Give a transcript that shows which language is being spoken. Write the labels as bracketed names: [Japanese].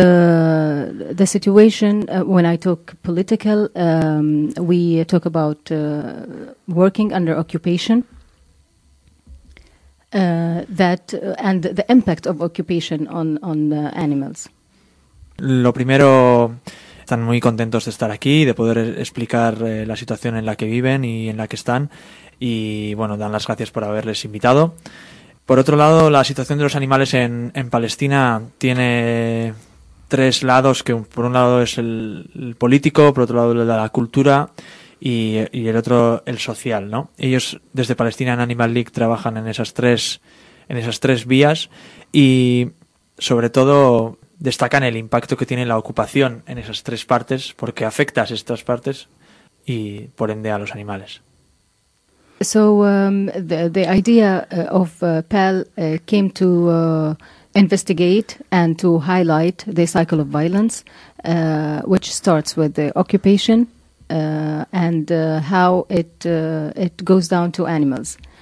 [English] The situation, when I talk political, we talk about working under occupation. And the impact of occupation on animals. [Spanish] Lo primero, están muy contentos de estar aquí y de poder explicar la situación en la que viven y en la que están. Y bueno, dan las gracias por haberles invitado. Por otro lado, la situación de los animales en Palestina tiene tres lados, que por un lado es el político, por otro lado la cultura y el otro el social, ¿no? Ellos desde Palestina en Animal League trabajan en esas tres vías y sobre todo destacan el impacto que tiene la ocupación en esas tres partes porque afecta a estas partes y por ende a los animales. [English] So the idea of PAL came to investigate and to highlight the cycle of violence, which starts with the occupation and how it goes down to animals.